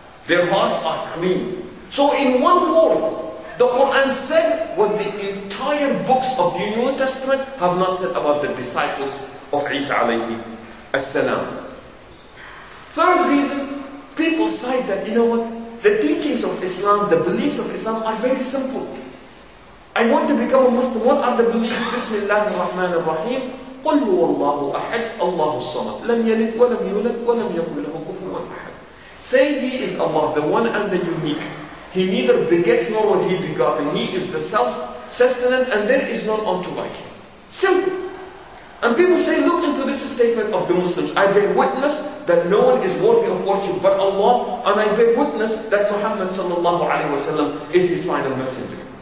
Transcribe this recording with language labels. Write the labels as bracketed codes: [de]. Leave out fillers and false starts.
[en] Their hearts are clean. So in one word, the Quran said what the entire books of the New Testament have not said about the disciples of Isa alayhi as-salam. Third reason, people cite that, you know what, the teachings of Islam, the beliefs of Islam are very simple. I want to become a Muslim. What are the beliefs? Bismillah ar-Rahman ar-Rahim. [ar] قل هو الله أحد الله الصمد لم يلد ولم يولد ولم يكن له كفوا أحد. [en] Say he is Allah, the one and the unique. He neither begets nor was he begotten. He is the self-sustenant and there is none unto like him. Simple. And people say, look into this statement of the Muslims. I bear witness that no one is worthy of worship but Allah, and I bear witness that Muhammad sallallahu alaihi wasallam is his final messenger.